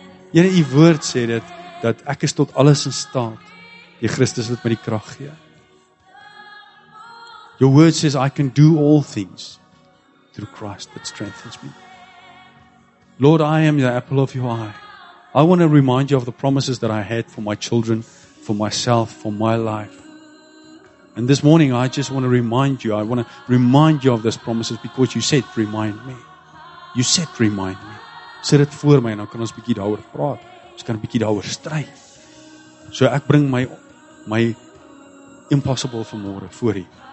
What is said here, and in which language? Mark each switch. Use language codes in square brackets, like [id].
[af] Here, die woord sê dat ek is tot alles in staat, die Christus wat my die krag gee. [en] Your word says, I can do all things through Christ that strengthens me. Lord, I am the apple of your eye. I want to remind you of the promises that I had for my children, for myself, for my life. And this morning, I just want to remind you. I want to remind you of those promises because you said, remind me. You said, remind me. [af] Sit it voor my, nou kan ons bietjie daaroor praat. Ons kan bietjie daaroor stry. So ek bring my impossible vanmôre voor u.